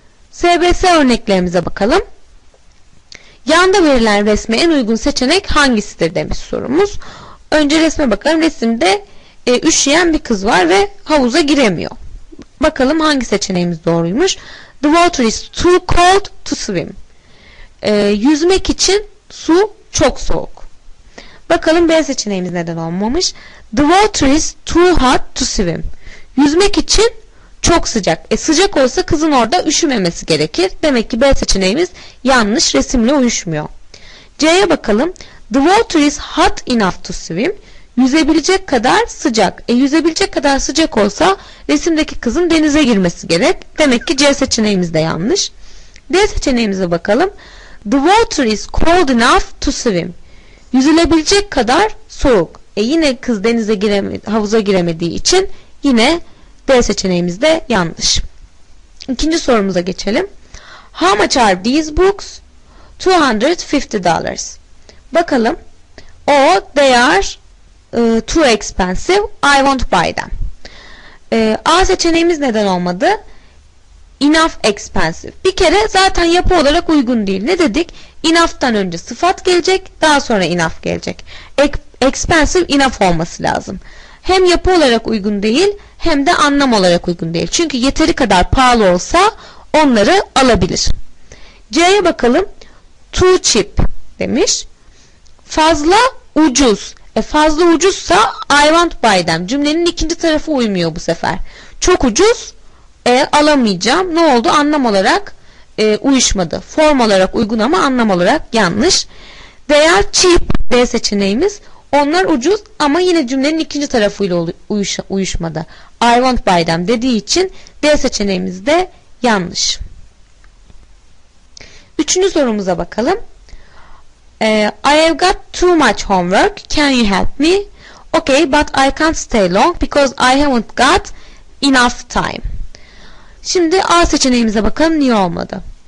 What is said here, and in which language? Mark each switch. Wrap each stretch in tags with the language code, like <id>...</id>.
<tr>SBS örneklerimize bakalım. Yanda verilen resme en uygun seçenek hangisidir demiş sorumuz. Önce resme bakalım. Resimde üşüyen bir kız var ve havuza giremiyor. Bakalım hangi seçeneğimiz doğruymuş.</tr> <en>The water is too cold to swim.</en> <tr>Yüzmek için su çok soğuk. Bakalım B seçeneğimiz neden olmamış.</tr> <en>The water is too hot to swim.</en> <tr>Yüzmek için çok sıcak. Sıcak olsa kızın orada üşümemesi gerekir. Demek ki B seçeneğimiz yanlış, resimle uyuşmuyor. C'ye bakalım.</tr> <en>The water is hot enough to swim.</en> <tr>Yüzebilecek kadar sıcak. Yüzebilecek kadar sıcak olsa resimdeki kızın denize girmesi gerek. Demek ki C seçeneğimiz de yanlış. D seçeneğimize bakalım.</tr> <en>The water is cold enough to swim.</en> <tr>Yüzülebilecek kadar soğuk. Yine kız denize havuza giremediği için yine D seçeneğimiz de yanlış. İkinci sorumuza geçelim.</tr> <en>How much are these books? $250. Bakalım. Oh, they are too expensive. I won't buy them.</en> <tr>A seçeneğimiz neden olmadı? Enough expensive. Bir kere zaten yapı olarak uygun değil. Ne dedik? Enough'tan önce sıfat gelecek, daha sonra enough gelecek. Expensive enough olması lazım. Hem yapı olarak uygun değil, hem de anlam olarak uygun değil. Çünkü yeteri kadar pahalı olsa onları alabilir. C'ye bakalım. Too cheap demiş. Fazla ucuz. Fazla ucuzsa</tr> <en>I won't buy them.</en> <tr>Cümlenin ikinci tarafı uymuyor bu sefer. Çok ucuz. alamayacağım. Ne oldu? Anlam olarak uyuşmadı. Form olarak uygun ama anlam olarak yanlış.</tr> <en>They are cheap.</en> <tr>B seçeneğimiz. Onlar ucuz ama yine cümlenin ikinci tarafıyla uyuşmadı.</tr> <en>I won't buy them</en> <tr>dediği için D seçeneğimiz de yanlış. Üçüncü sorumuza bakalım.</tr> <en>I have got too much homework. Can you help me? Okay, but I can't stay long because I haven't got enough time.</en> <tr>Şimdi A seçeneğimize bakalım, niye olmadı?</tr>